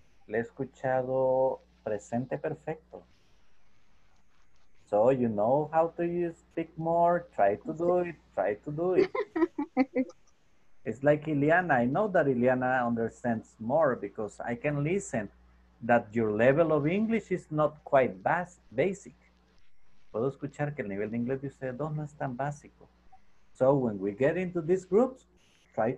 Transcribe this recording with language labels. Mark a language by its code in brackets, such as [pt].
[es] Le he escuchado presente perfecto. [en] So you know how to speak more. Try to do it. Try to do it. It's like Ileana. I know that Ileana understands more because I can listen that your level of English is not quite basic. [es] Puedo escuchar que el nivel de inglés de ustedes dos no es tan básico. [en] So, when we get into these groups, try to...